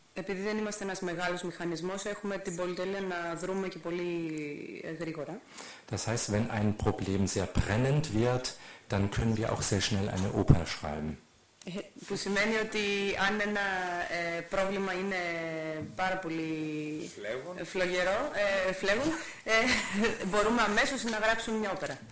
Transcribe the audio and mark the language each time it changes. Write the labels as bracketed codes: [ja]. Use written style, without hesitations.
[el] Επειδή δεν είμαστε ένας μεγάλος μηχανισμός, έχουμε την πολυτέλεια να δρούμε και πολύ γρήγορα. [de] Das heißt, wenn ein Problem sehr brennend wird, dann können wir auch sehr schnell eine Oper schreiben. [el] Που σημαίνει ότι αν ένα πρόβλημα είναι πάρα πολύ φλογερό, φλέγον, μπορούμε αμέσως να γράψουμε μια όπερα.